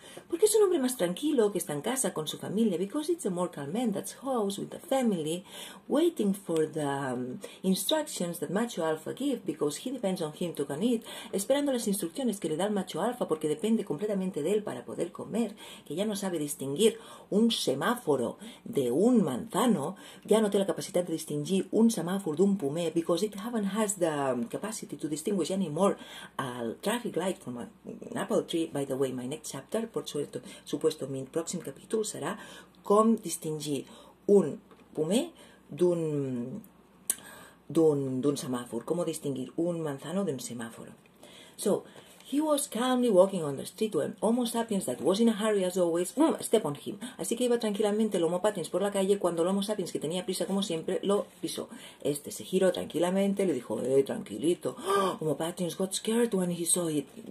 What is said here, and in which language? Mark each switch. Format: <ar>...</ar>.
<es>Porque es un hombre más tranquilo que está en casa con su familia.</es> <en>Because it's a more calm man that's house with the family, waiting for the instructions that macho alpha give, because he depends on him to can eat.</en> <es>Esperando las instrucciones que le da el macho alfa, porque depende completamente de él para poder comer. Que ya no sabe distinguir un semáforo de un manzano. Ya no tiene la capacidad de distinguir un semáforo de un pumé.</es> <en>Because it haven't has the capacity to distinguish anymore a traffic light from an apple tree. By the way, my next chapter,</en> <es>por supuesto, mi próximo capítulo será</es> <ca>com distingir un pomer d'un semàfor, com distingir un manzano d'un semàfor.</ca> <en>So, he was calmly walking on the street when Homo sapiens, that was in a hurry as always, step on him.</en> <es>Así que iba tranquilamente el Homo patiens por la calle cuando el Homo sapiens, que tenía prisa como siempre, lo pisó. Este se giró tranquilamente, le dijo, tranquilito.</es> <en>Homo patiens got scared when he saw it.</en>